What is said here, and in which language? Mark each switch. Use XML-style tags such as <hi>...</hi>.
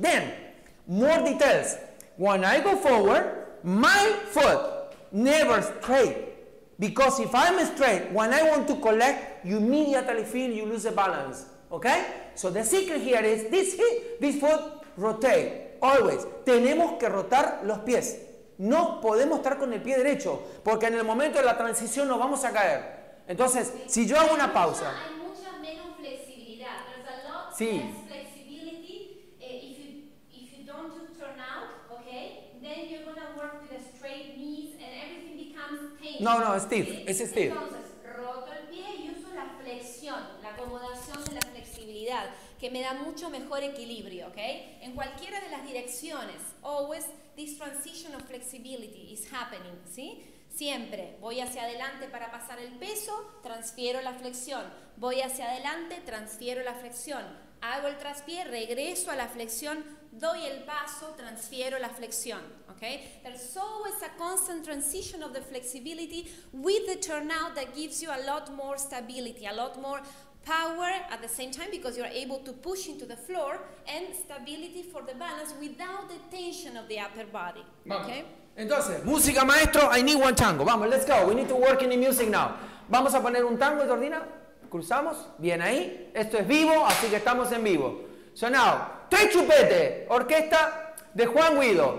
<en>Then, more details. When I go forward, my foot never straight. Because if I'm straight, when I want to collect, you immediately feel you lose the balance. Okay? So the secret here is this hip, this foot, rotate. Always.</en> <es>Tenemos que rotar los pies. No podemos estar con el pie derecho. Porque en el momento de la transición nos vamos a caer. Entonces, sí, si yo hago una pausa. Hay mucha menos flexibilidad.</es> <en>There's a lot</en> <es>sí.</es> <en>less flexibility. If you don't do turn out, okay, then you're going to work with a straight knees and everything becomes pain. No, no, Steve. Okay? It's Steve.</en> <es>Entonces, roto el pie y uso la flexión, la acomodación de la flexibilidad, que me da mucho mejor equilibrio, okay? En cualquiera de las direcciones,</es> <en>always this transition of flexibility is happening, ¿sí?</en> <es>Siempre voy hacia adelante para pasar el peso, transfiero la flexión. Voy hacia adelante, transfiero la flexión. Hago el traspié, regreso a la flexión, doy el paso, transfiero la flexión.</es> <en>Okay? There's always a constant transition of the flexibility with the turnout that gives you a lot more stability, a lot more power at the same time because you're able to push into the floor and stability for the balance without the tension of the upper body. Okay?</en> <es>Entonces, música maestro,</es> <en>I need one tango.</en> <es>Vamos,</es> <en>let's go. We need to work in the music now.</en> <es>Vamos a poner un tango, Jordina. Cruzamos. Bien ahí. Esto es vivo, así que estamos en vivo.</es> <en>So now,</en> <es>tres chupete, orquesta de Juan Guido.</es>